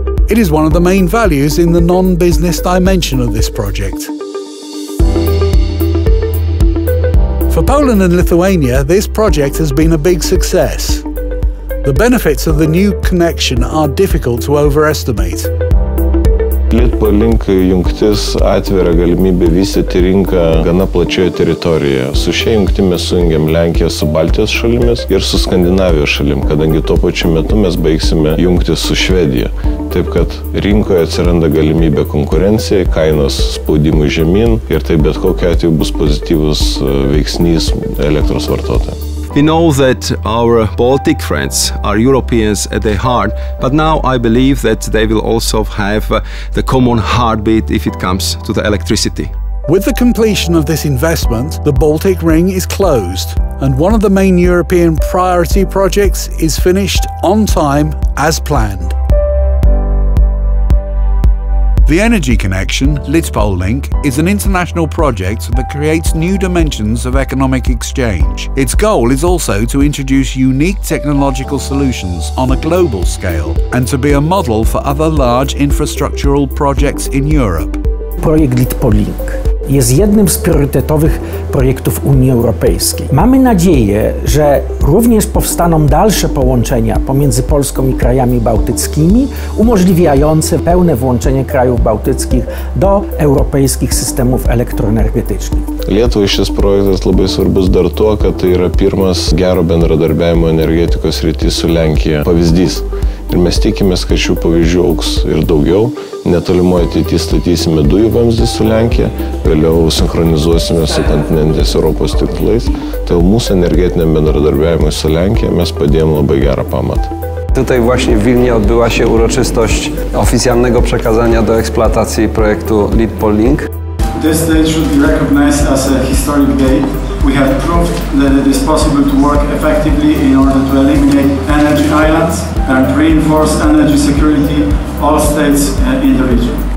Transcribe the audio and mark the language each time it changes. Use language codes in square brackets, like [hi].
[en] It is one of the main values in the non-business dimension of this project. For Poland and Lithuania, this project has been a big success. The benefits of the new connection are difficult to overestimate. [lt] LitPol Link jungtis atveria galimybę vystyti rinką gana plačioje teritorijoje. Su šia jungtimi sujungiam Lenkiją su Baltijos šalimis ir su Skandinavijos šalim, kadangi tuo pačiu metu mes baigsime jungtis su Švedija. Taip kad rinkoje atsiranda galimybė konkurencijai, kainos spaudimui žemyn ir tai bet kokiu atveju bus pozityvus veiksnys elektros vartotojai. [en] We know that our Baltic friends are Europeans at their heart, but now I believe that they will also have the common heartbeat if it comes to the electricity. With the completion of this investment, the Baltic Ring is closed, and one of the main European priority projects is finished on time as planned. The energy connection, LitPol Link, is an international project that creates new dimensions of economic exchange. Its goal is also to introduce unique technological solutions on a global scale and to be a model for other large infrastructural projects in Europe. [pl] Projekt LitPol Link jest jednym z priorytetowych projektów Unii Europejskiej. Mamy nadzieję, że również powstaną dalsze połączenia pomiędzy Polską i krajami bałtyckimi, umożliwiające pełne włączenie krajów bałtyckich do europejskich systemów elektroenergetycznych. [lt] Lietuvai šis projektas labai svarbus dar tuo, kad tai yra pirmas gero bendradarbiavimo energetikos srity su Lenkija pavyzdys. Ir mes tikimės, kad šių pavyzdžių auks ir daugiau. Netolimoje ateityje statysime dujų vamzdį su Lenkija, vėliau sinchronizuosime su kontinentės Europos tiklais. Tai mūsų energetiniam bendradarbiavimui su Lenkija mes padėjom labai gerą pamatą. [pl] Tutaj właśnie w Wilnie odbyła się uroczystość oficjalnego przekazania do eksploatacji projektu LitPol Link. [en] This day should be recognized as a historic day. We have proved that it is possible to work effectively in order to eliminate energy islands and reinforce energy security all states in the region.